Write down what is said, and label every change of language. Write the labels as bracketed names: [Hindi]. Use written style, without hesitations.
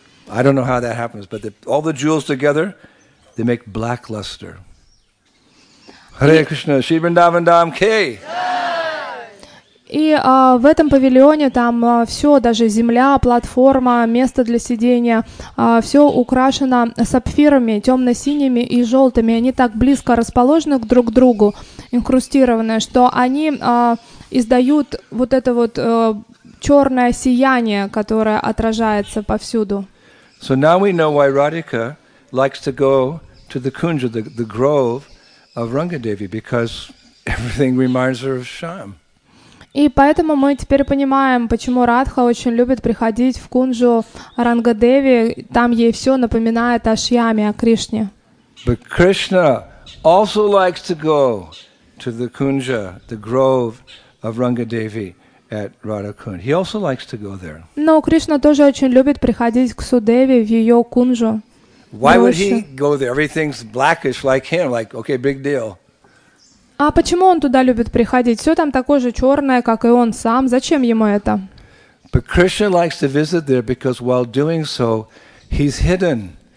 [English] I don't know how that happens, but all the jewels together, they make black luster. [Hindi] Hare Krishna, Shri Vrindavan Dham Ki. [Russian] И в этом павильоне там все, даже земля, платформа, место для сидения, все украшено сапфирами, темно-синими и желтыми. Они так близко расположены друг к другу, инкрустированы, что они издают вот это вот черное сияние, которое отражается повсюду. [English] So now we know why Radhika likes to go to the kunja, the grove of Rangadevi, because everything reminds her of Shyam. [Russian] И поэтому мы теперь понимаем, почему Радха очень любит приходить в кунжу Рангадеви, там ей все напоминает о Шьяме, о Кришне. [English] But Krishna also likes to go to the kunja, the grove of Rangadevi at Radhakund. He also likes to go there. [Russian] Но Кришна тоже очень любит приходить к Судеве в ее кунжу. [English] Why would he go there? Everything's blackish like him, like, okay, big deal. [Russian] А почему он туда любит приходить? Все там такое же черное, как и он сам. Зачем ему это? [English] But Krishna likes to visit there because while doing so, he's hidden.